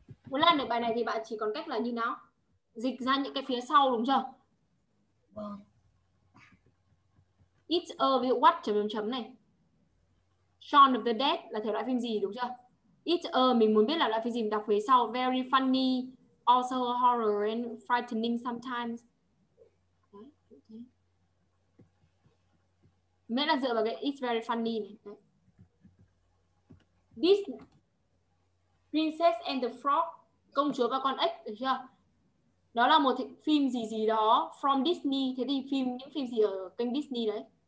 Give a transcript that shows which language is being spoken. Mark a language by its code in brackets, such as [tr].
[vi] Muốn làm được bài này thì bạn chỉ còn cách là như nào? Dịch ra những cái phía sau đúng chưa? Vâng. [en] It's a [vi] ví dụ what chấm chấm chấm này. Shaun of the Dead là thể loại phim gì đúng chưa? [en] It's a [vi] mình muốn biết là loại phim gì, mình đọc phía sau. [en] Very funny, also horror and frightening sometimes. [vi] Mẹ là dựa vào cái [en] it's very funny [vi] này. This Princess and the Frog, công chúa và con ếch, được chưa? Đó là một phim gì gì đó [en] from Disney. [vi] Thế thì phim những phim gì ở kênh Disney đấy?